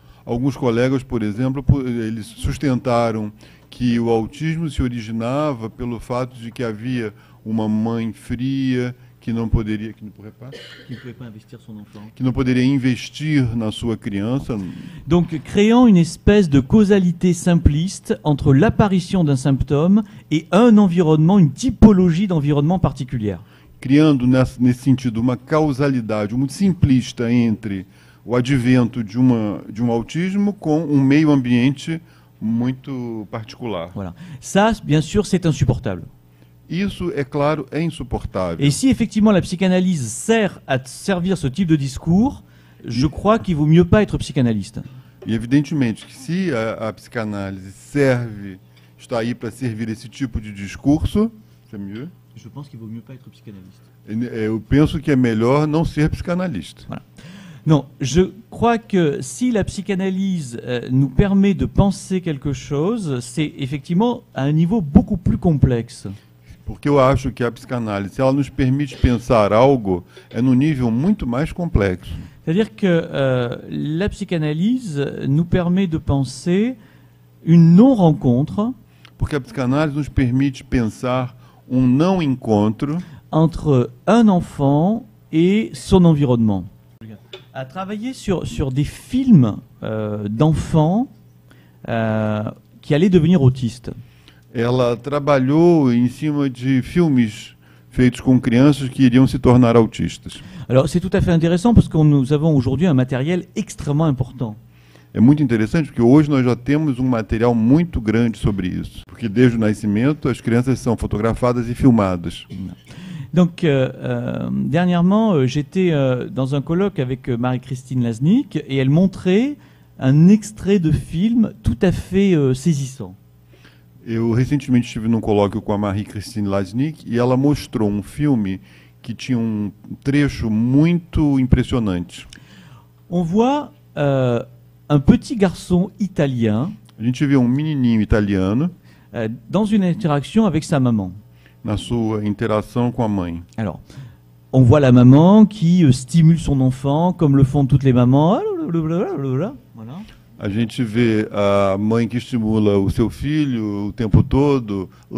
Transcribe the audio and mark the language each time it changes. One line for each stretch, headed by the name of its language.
Portuguese: Alguns colegas, por exemplo, eles sustentaram que o autismo se originava pelo fato de que havia uma mãe fria que não poderia,
French: que ne pourrait pas investir son enfant,
Portuguese: que não poderia investir na sua criança.
French: Donc créant une espèce de causalité simpliste entre l'apparition d'un symptôme et un environnement, une typologie d'environnement particulière.
Portuguese: Criando nesse sentido uma causalidade muito simplista entre o advento de um autismo com um meio ambiente muito particular.
French: Voilà. Ça, bien sûr, c'est insupportable.
Portuguese: Isso, é claro, é insupportável.
French: Et si effectivement la psychanalyse sert à servir ce type de discours, je crois qu'il vaut mieux pas être psychanalyste.
Portuguese: E evidentemente que se a psicanálise serve, está aí para servir esse tipo de discurso,
French: c'est mieux. Je pense qu'il vaut mieux pas être psychanalyste.
Portuguese: Eu penso que é melhor não ser psicanalista.
French: Voilà. Non, je crois que si la psychanalyse nous permet de penser quelque chose, c'est effectivement à un niveau beaucoup plus complexe.
Portuguese: Porque eu acho que a psicanálise, se ela nos permite pensar algo, é num nível muito mais complexo.
French: C'est-à-dire que la psychanalyse nous permet de penser une non-rencontre.
Portuguese: Porque a psicanálise nos permite pensar um não encontro
French: entre un enfant et son environnement. À travailler sur des films d'enfants qui allaient devenir autistes.
Portuguese: Ela trabalhou em cima de filmes feitos com crianças que iriam se tornar autistas.
French: Alors, c'est tout à fait intéressant parce que nous avons aujourd'hui un matériel extrêmement important.
Portuguese: É muito interessante porque hoje nós já temos um material muito grande sobre isso, porque desde o nascimento as crianças são fotografadas e filmadas.
French: Donc dernièrement, j'étais dans un colloque avec Marie-Christine Lasnik et elle montrait un extrait de film tout à fait saisissant.
Portuguese: Eu recentemente estive num colóquio com a Marie-Christine Lasnik e ela mostrou um filme que tinha um trecho muito impressionante.
French: On voit un petit garçon italien.
Portuguese: A gente vê um menininho italiano
French: dans une interaction avec sa maman.
Portuguese: Na sua interação com a mãe.
French: Alors, on voit la maman qui stimule son enfant, comme le font toutes les mamans. Voilà.
Portuguese: A gente vê a mãe que estimula o seu filho o tempo todo.